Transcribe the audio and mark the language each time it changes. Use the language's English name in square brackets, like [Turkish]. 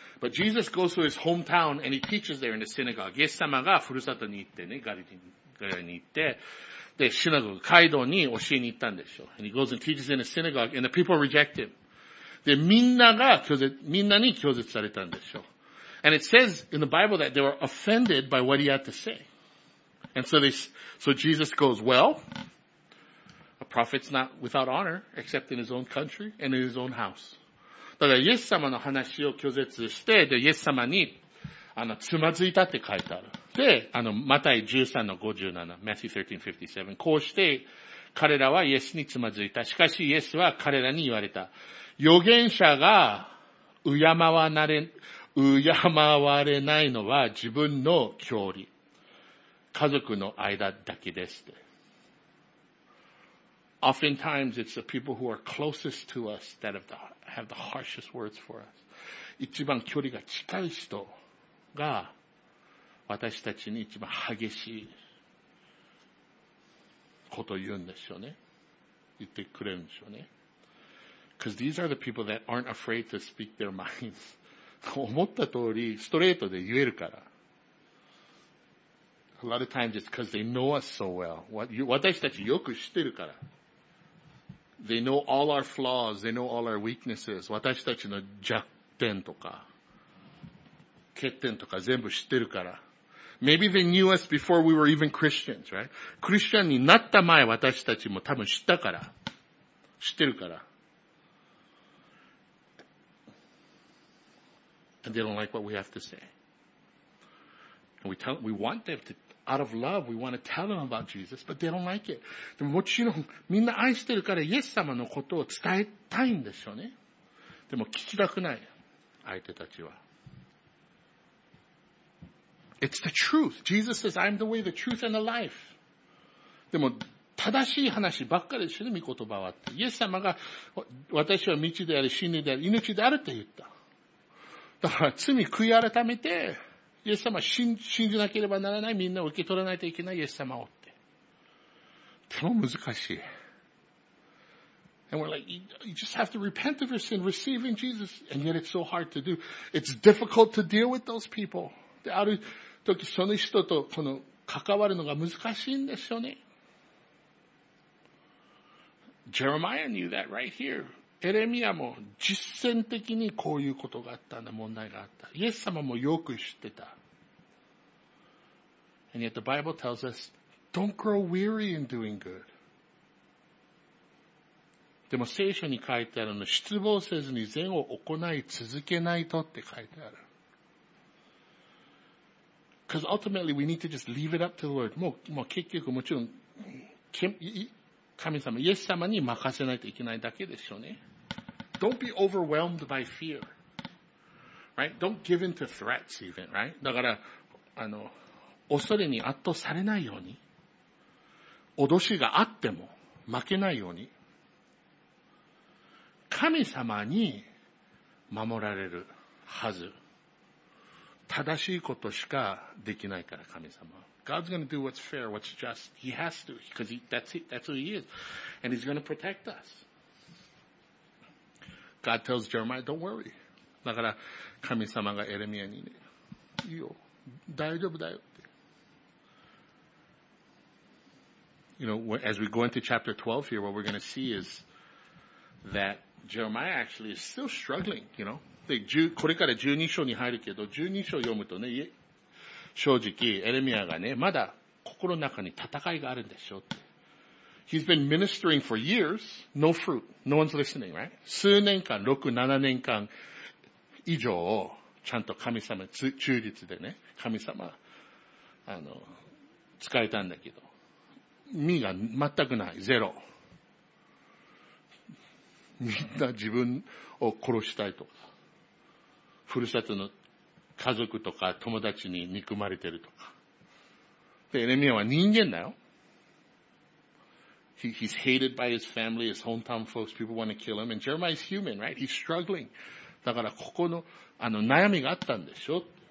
[English] But Jesus goes to his hometown and he teaches there in the synagogue. [Japanese] イエス様がふるさとに行ってね、ガリに行って、で、シナゴグ、街道に教えに行ったんでしょう。 [English] And he goes and teaches in a synagogue, and the people reject him. [Japanese] で、みんなに拒絶されたんでしょう。 [English] And it says in the Bible that they were offended by what he had to say. And so Jesus goes, well, a prophet's not without honor, except in his own country and in his own house. [Japanese] だから、イエス様の話を拒絶して、で、イエス様に、つまずいたって書いてある。で、マタイ13の57、 [English] Matthew 13:57。 [Japanese] こうして、彼らはイエスにつまずいた。しかし、イエスは彼らに言われた。預言者が、敬われないのは自分の教理。家族の間だけです。 [English] Oftentimes, it's the people who are closest to us that have the harshest words for us. [Japanese] 一番距離が近い人が、私たちに一番激しいことを言うんでしょうね。言ってくれるんでしょうね。 [English] Because these are the people that aren't afraid to speak their minds. [Japanese] 思った通りストレートで言えるから。 [English] A lot of times it's because they know us so well. [Japanese] 私たちよく知ってるから。 [English] They know all our flaws. They know all our weaknesses. [Japanese] 私たちの弱点とか、欠点とか全部知ってるから。 [English] Maybe they knew us before we were even Christians, right? [Japanese] クリスチャンになった前私たちも多分知ったから。知ってるから。 [English] And they don't like what we have to say. And we want them to, out of love, we want to tell them about Jesus, but they don't like it. [Japanese] でももちろんみんな愛してるからイエス様のことを伝えたいんでしょうね。でも聞きたくない。相手たちは。 [English] It's the truth. Jesus says, I'm the way, the truth, and the life. [Japanese] でも、正しい話ばっかりですよね、御言葉は。イエス様が、私は道であり、真理であり、命であると言った。だから、罪悔い改めて、イエス様信じなければならない、みんなを受け取らないといけないイエス様をって。でも難しい。 [English] And we're like, you just have to repent of your sin, receiving Jesus. And yet it's so hard to do. It's difficult to deal with those people. [Japanese] ある時その人とこの関わるのが難しいんですよね。 [English] Jeremiah knew that right here. [Japanese] エレミアも実践的にこういうことがあったんだ、問題があった。イエス様もよく知ってた。 [English] And yet the Bible tells us, don't grow weary in doing good. [Japanese] でも聖書に書いてあるの、失望せずに善を行い続けないとって書いてある。 [English] Because ultimately we need to just leave it up to the Lord. [Japanese] もう結局もちろん、神様、イエス様に任せないといけないだけですよね。 [English] Don't be overwhelmed by fear. Right? Don't give in to threats even, right? [Japanese] だから、恐れに圧倒されないように、脅しがあっても負けないように、神様に守られるはず。正しいことしかできないから、神様。 [English] God's going to do what's fair, what's just. He has to, because that's who he is. And he's going to protect us. God tells Jeremiah, don't worry. [Japanese] だから神様がエレミアにね、いいよ、大丈夫だよって。 [English] You know, as we go into chapter 12 here, what we're going to see is that Jeremiah actually is still struggling, you know. [Japanese] で、これから12章に入るけど、12章読むとね、正直エレミアがね、まだ心の中に戦いがあるんでしょって。 [English] He's been ministering for years, no fruit, no one's listening, right? [Japanese] 数年間、6、7年間以上をちゃんと神様、忠実でね、神様、使えたんだけど、実が全くない、ゼロ。みんな自分を殺したいとか、ふるさとの家族とか友達に憎まれてるとか。で、エレミアは人間だよ。 [English] He's hated by his family, his hometown folks, people want to kill him. And Jeremiah's human, right? He's struggling. [Japanese] だからここの、悩みがあったんでしょ?